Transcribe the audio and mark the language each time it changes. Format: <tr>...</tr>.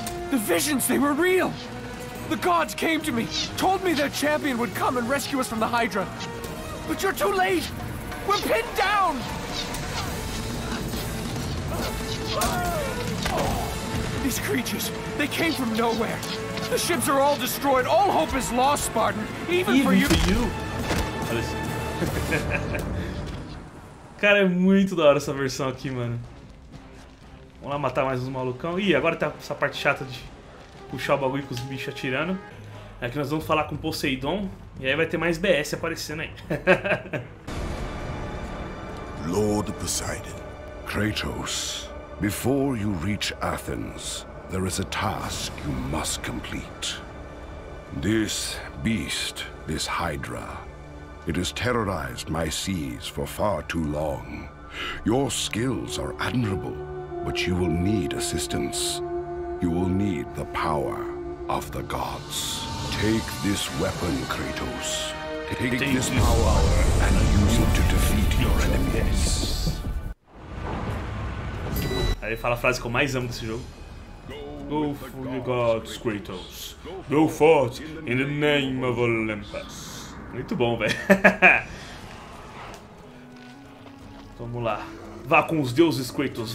<en>The visions, they were real. The gods came to me, told me their champion would come and rescue us from the Hydra. But you're too late. We're pinned down. These creatures, they came from nowhere. The ships are all destroyed. All hope is lost, Spartan. Even for you.</en> <pt>Cara, é muito da hora essa versão aqui, mano. Vamos lá matar mais uns malucão. Ih, agora tá essa parte chata de puxar o bagulho com os bichos atirando. É que nós vamos falar com Poseidon. E aí vai ter mais BS aparecendo aí.</pt> <en>Lord Poseidon. Kratos, before you reach Athens, there is a task you must complete. This beast, this Hydra. It has terrorized my seas for far too long. Your skills are admirable, but you will need assistance. You will need the power of the gods. Take this weapon, Kratos. Take this power and use it to defeat your enemies.</en> <pt>Aí ele fala a frase que eu mais amo desse jogo.</pt> <en>Go for the gods, Kratos. Go forth in the name of Olympus.</en> <pt>Muito bom, velho. Vamos lá. Vá com os deuses, Kratos.</pt>